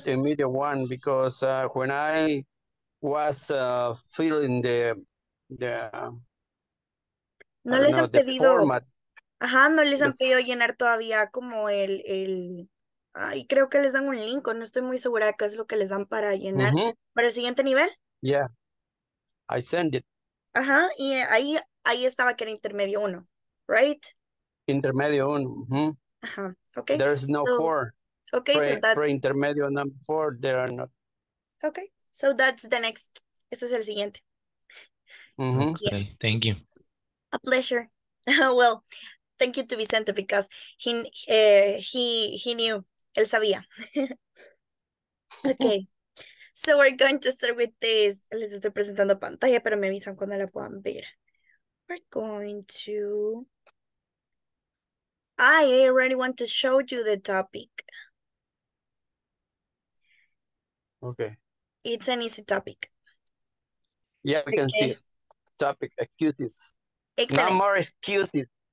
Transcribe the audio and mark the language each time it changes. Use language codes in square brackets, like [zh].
[en] Intermediate one, because when I was filling the format. [es] No les han pedido llenar todavía como el. Ay, creo que les dan un link, no estoy muy segura de qué es lo que les dan para llenar. Para el siguiente nivel. [en] Yeah, I send it. [es] Y ahí estaba que era intermedio uno. Right? Intermedio uno. [en] Okay. There is no so, 4. Okay, pre, so that... Pre-intermedio number 4, there are not. Okay, so that's the next. [es] Ese es el siguiente. [en] Okay, yeah. Thank you. A pleasure. Well, thank you to Vicente because he knew. [es] Él sabía. [en] Okay. So we're going to start with this. [es] Les estoy presentando pantalla, pero me avisan cuando la puedan ver. [en] We're going to... I already want to show you the topic. Okay. It's an easy topic. Yeah, we can see it. Topic, excuses. Excellent. No more excuses.